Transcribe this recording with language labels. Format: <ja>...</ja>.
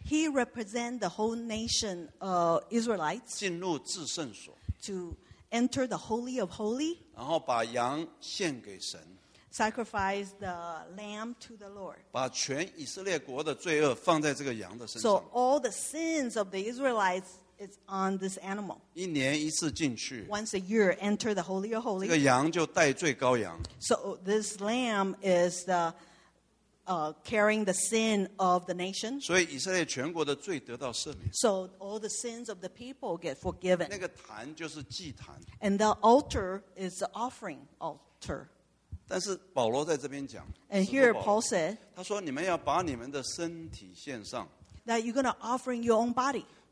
<en>He represents the whole nation of Israelites.</en> <zh>进入至圣所。</zh> <en>To enter the holy of holy.</en> <zh>然后把羊献给神。</zh> <en>Sacrifice the lamb to the Lord.</en> <zh>把全以色列国的罪恶放在这个羊的身上。</zh> <en>So all the sins of the Israelites is on this animal.</en> <zh>一年一次进去。</zh> <en>Once a year, enter the holy of holies.</en> <zh>这个羊就代罪羔羊。</zh> <en>So this lamb is the carrying the sin of the nation.</en> <zh>所以以色列全国的罪得到赦免。</zh> <en>So all the sins of the people get forgiven.</en> <zh>那个坛就是祭坛。</zh> <en>And the altar is the offering altar.</en> <zh>但是保罗在这边讲，</zh> <en>And here Paul said,</en> <zh>他说你们要把你们的身体献上。</zh> <en>That you're going to offer your own body.</en>